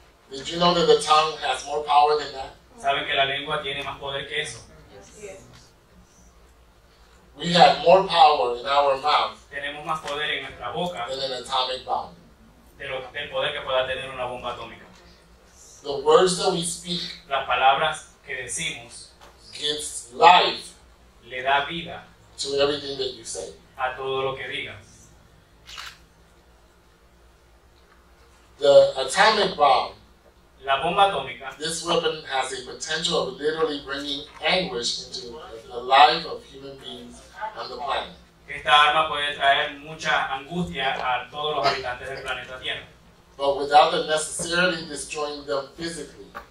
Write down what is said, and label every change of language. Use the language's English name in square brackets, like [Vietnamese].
[English] Did you know that the tongue has more power than that? [Spanish] ¿Saben que la lengua tiene más poder que eso? [English] We have more power in our mouth. [Spanish] Tenemos más poder en nuestra boca. [English] Than an atomic bomb. [Spanish] Del poder que pueda tener una bomba atómica. [English] The words that we speak. [Spanish] Las palabras que decimos. [English] Gives life. [Spanish] Le da vida. [English] To everything that you say. [Spanish] A todo lo que digas. [English] The atomic bomb. [Spanish] La bomba atómica. [English] This weapon has a potential of literally bringing anguish into the life of human beings on the planet. [Spanish] Esta arma puede traer mucha angustia a todos los habitantes del planeta Tierra. [English] But without it necessarily destroying them physically.